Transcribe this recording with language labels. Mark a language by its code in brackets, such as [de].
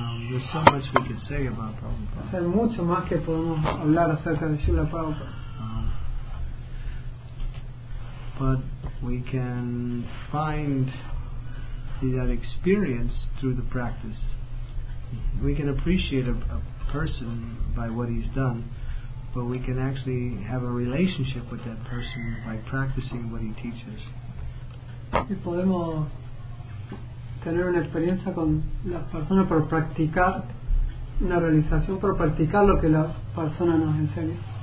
[en] There's so much we can say about Prabhupada. [es] Hay mucho más que podemos hablar acerca de Srila Prabhupada. [en] But we can find that experience through the practice. We can appreciate a person by what he's done, but we can actually have a relationship with that person by practicing what he teaches. [es] Y podemos tener una experiencia con la persona por practicar una realización, por practicar lo que la persona nos enseña.